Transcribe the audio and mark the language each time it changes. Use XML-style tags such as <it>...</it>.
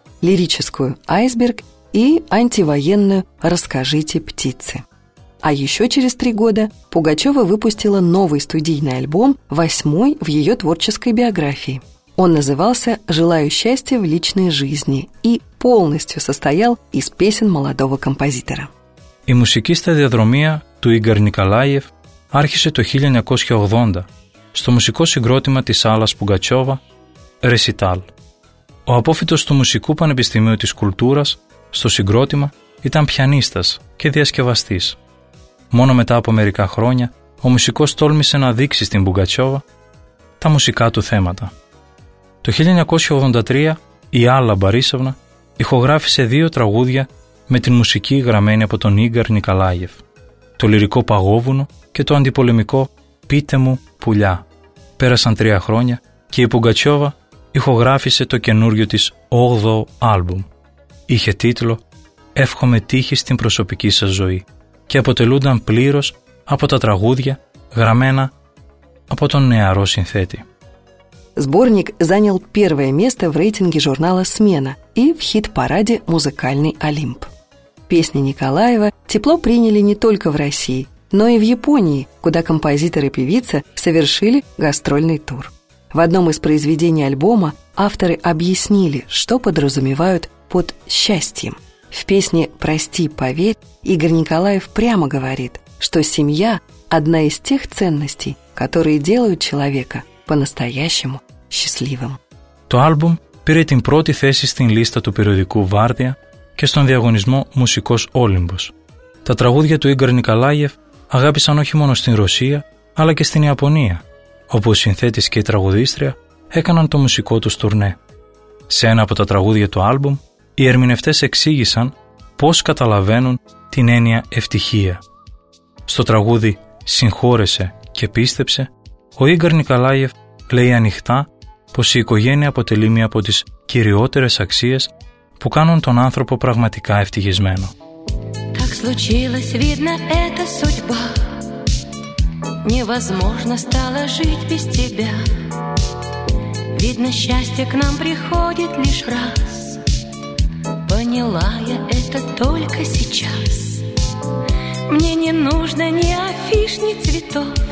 <ru>Лирическую «Айсберг» и антивоенную «Расскажите птицы». А еще через три года Пугачева выпустила новый студийный альбом, восьмой в ее творческой биографии. Он назывался «Желаю счастья в личной жизни» и полностью состоял из песен молодого композитора.</ru> <el>Η мусикиста διαδρομία του Игор Николаев άρχισε το 1980 στο μουσικό συγκρότημα της Άλλας Πουγκατσόβα «Recital». Ο απόφυτος του Μουσικού Πανεπιστημίου της Κουλτούρας, στο συγκρότημα, ήταν πιανίστας και διασκευαστής. Μόνο μετά από μερικά χρόνια, ο μουσικός τόλμησε να δείξει στην Πουγκατσόβα τα μουσικά του θέματα. Το 1983 η Άλλα Μπαρίσοβνα ηχογράφησε δύο τραγούδια με την μουσική γραμμένη από τον Ίγκαρ Νικαλάγεφ, το λυρικό Παγόβουνο και το αντιπολεμικό Πείτε μου πουλιά. Πέρασαν τρία χρόνια και η Πουγκατσιόβα ηχογράφησε το καινούριο της 8ο άλμπουμ. Είχε τίτλο «Εύχομαι τύχη στην προσωπική σας ζωή» και αποτελούνταν πλήρως από τα τραγούδια γραμμένα από τον νεαρό συνθέτη.</el> <ru>Сборник занял первое место в рейтинге журнала «Смена» и в хит-параде «Музыкальный Олимп». Песни Николаева тепло приняли не только в России, но и в Японии, куда композитор и певица совершили гастрольный тур. В одном из произведений альбома авторы объяснили, что подразумевают под «счастьем». В песне «Прости, поверь» Игорь Николаев прямо говорит, что семья – одна из тех ценностей, которые делают человека – по-настоящему счастливым.</ru> <el>Το άλμπουμ πήρε την πρώτη θέση στην λίστα του περιοδικού Βάρδια και στον διαγωνισμό Μουσικός Όλυμπος. Τα τραγούδια του Ίγκαρ Νικαλάγεφ αγάπησαν όχι μόνο στην Ρωσία, αλλά και στην Ιαπωνία, όπου ο συνθέτης και η τραγουδίστρια έκαναν το μουσικό τους τουρνέ. Σε ένα από τα τραγούδια του άλμπουμ, οι ερμηνευτές εξήγησαν πώς καταλαβαίνουν την έννοια ευτυχία. Στο τραγούδι «Συγχώρεσε και πίστεψε», ο Ίγκαρ Νικαλάγεφ λέει ανοιχτά πως η οικογένεια αποτελεί μία από τις κυριότερες αξίες που κάνουν τον άνθρωπο πραγματικά ευτυχισμένο.</el> <ru>Так случилось, видно, это судьба. Невозможно стало жить без тебя. Видно, счастье к нам приходит лишь раз. Поняла я это только сейчас. Мне не нужно ни афиш, ни цветов.</ru>